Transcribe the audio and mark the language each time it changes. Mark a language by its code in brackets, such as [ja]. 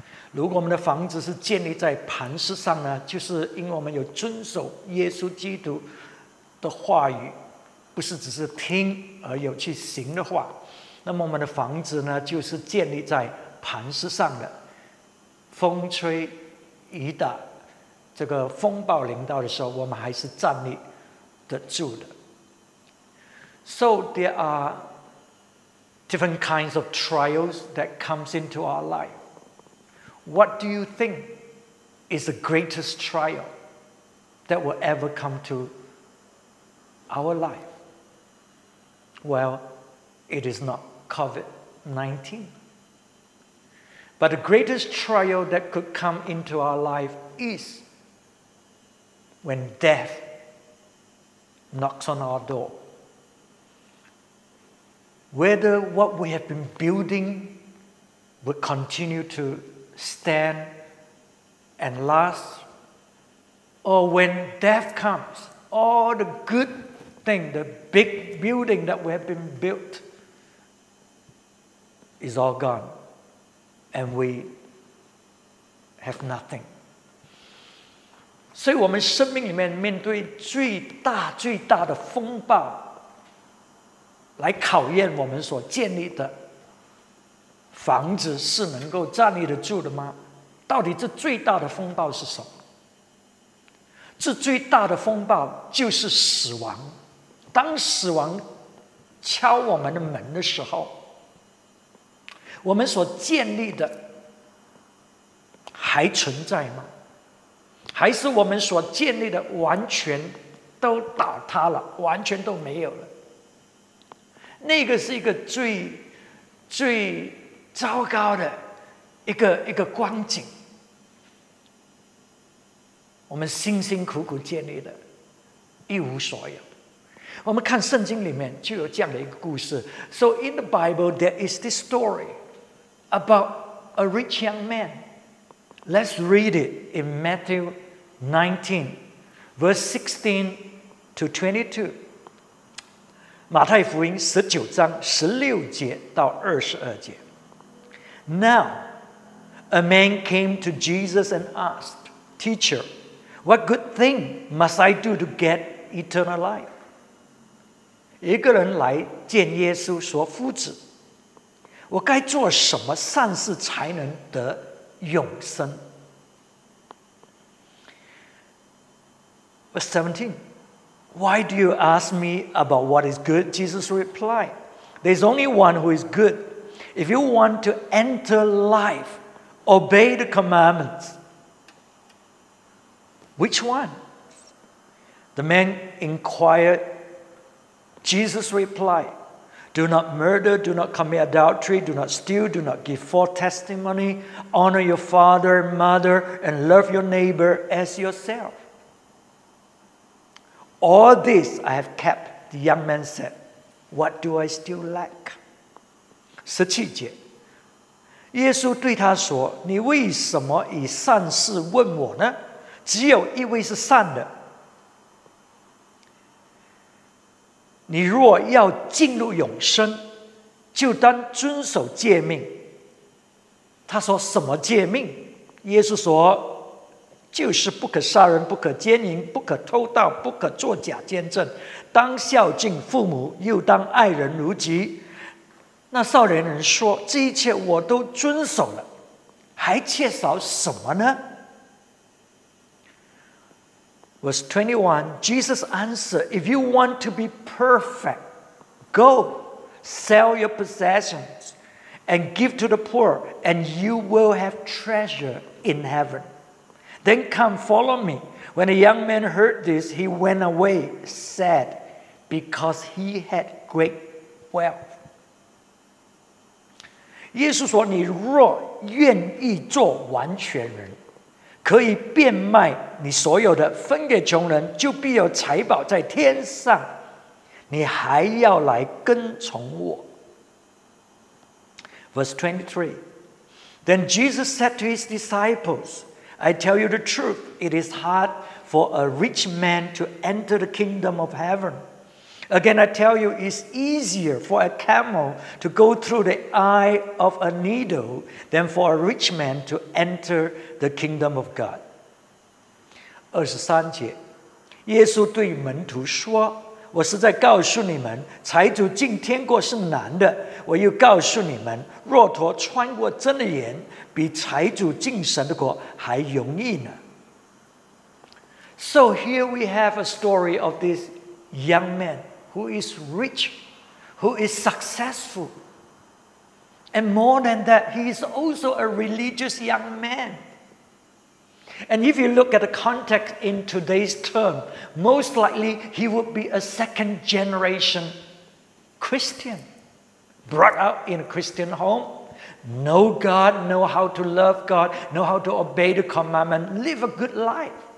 [zh] 如果我们的房子是建立在磐石上呢，就是因为我们有遵守耶稣基督的话语，不是只是听而有去行的话，那么我们的房子呢就是建立在磐石上的。风吹雨打，这个风暴临到的时候，我们还是站立得住的。 [en] So there are different kinds of trials that comes into our life. What do you think is the greatest trial that will ever come to our life? Well, it is not COVID-19. But the greatest trial that could come into our life is when death knocks on our door. Whether what we have been building will continue to stand and last, or when death comes, all the good thing, the big building that we have been built is all gone and we have nothing. [zh] 所以我们生命里面面对最大最大的风暴来考验我们所建立的房子是能够站立得住的吗？到底这最大的风暴是什么？这最大的风暴就是死亡。当死亡敲我们的门的时候，我们所建立的还存在吗？还是我们所建立的完全都倒塌了，完全都没有了？那个是一个最最糟糕的一个光景。我们辛辛苦苦建立的一无所有。我们看圣经里面就有这样的一个故事。 [en] So in the Bible there is this story about a rich young man. Let's read it in Matthew 19, verse 16 to 22. [zh] 马太福音19章16节到22节。 [en] Now, a man came to Jesus and asked, Teacher, what good thing must I do to get eternal life? [zh] 一个人来见耶稣说，夫子，我该做什么善事才能得永生？ [en] Verse 17. Why do you ask me about what is good? Jesus replied, There is only one who is good. If you want to enter life, obey the commandments. Which one? The man inquired. Jesus replied,Do not murder, do not commit adultery, do not steal, do not give false testimony, honor your father and mother, and love your neighbor as yourself. All this I have kept, the young man said. What do I still lack? [zh] 17节，耶稣对他说，你为什么以善事问我呢？只有一位是善的。你若要进入永生，就当遵守诫命。他说什么诫命？耶稣说，就是不可杀人，不可奸淫，不可偷盗，不可作假见证，当孝敬父母，又当爱人如己。那少年人说，这一切我都遵守了，还缺少什么呢？ [en] Verse 21, Jesus answered, If you want to be perfect, go, sell your possessions, and give to the poor, and you will have treasure in heaven. Then come, follow me. When the young man heard this, he went away, sad, because he had great wealth. [zh] 耶稣说，你若愿意做完全人，可以变卖你所有的，分给穷人，就必有财宝在天上。你还要来跟从我。 [en] Verse 23. Then Jesus said to his disciples, I tell you the truth, it is hard for a rich man to enter the kingdom of heaven. Again, I tell you, it's easier for a camel to go through the eye of a needle than for a rich man to enter the kingdom of God. [zh] 23节，耶稣对门徒说，我是在告诉你们，财主进天国是难的。我又告诉你们，骆驼穿过针的眼，比财主进神的国还容易呢。 [en] So here we have a story of this young man who is rich, who is successful. And more than that, he is also a religious young man. And if you look at the context in today's term, most likely he would be a second generation Christian, brought up in a Christian home, know God, know how to love God, know how to obey the commandment, live a good life.